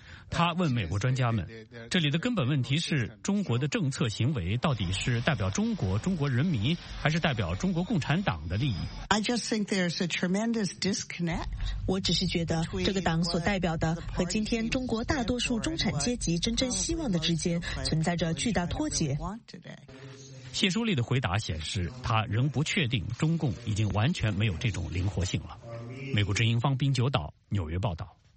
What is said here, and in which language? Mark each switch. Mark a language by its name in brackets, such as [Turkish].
[Chinese] 他问美国专家们，这里的根本问题是，中国的政策行为到底是代表中国、中国人民，还是代表中国共产党的利益？ [English] I just think there's a tremendous disconnect. [Chinese] 我只是觉得这个党所代表的和今天中国大多数中产阶级真正希望的之间存在着巨大脱节。谢淑丽的回答显示，他仍不确定中共已经完全没有这种灵活性了。美国之音方冰九岛纽约报道。